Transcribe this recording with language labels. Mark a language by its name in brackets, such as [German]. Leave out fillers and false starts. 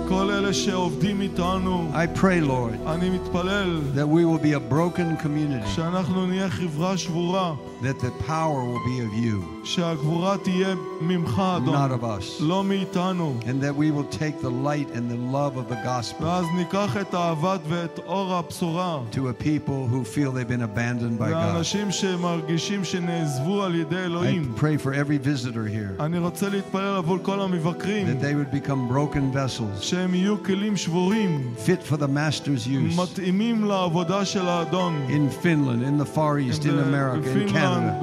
[English] I pray, Lord, that we will be a broken community. That the power will be of you. [Hebrew] שהגבורה תהיה ממך, אדון. [English] Not of us. [Hebrew] לא מאיתנו. [English] And that we will take the light and the love of the gospel. [Hebrew] ואז ניקח את האהבת ואת אור הבשורה. [English] To a people who feel they've been abandoned by God. [Hebrew] לאנשים שמרגישים שנעזבו על ידי אלוהים. [English] I pray for every visitor here. [Hebrew] אני רוצה להתפלל עבור כל המבקרים. [English] That they would become broken vessels. [Hebrew] שהם יהיו כלים שבורים. [English] Fit for the master's use. [Hebrew] מתאימים לעבודה של האדון. [English] In Finland, in the Far East, in America, in Canada.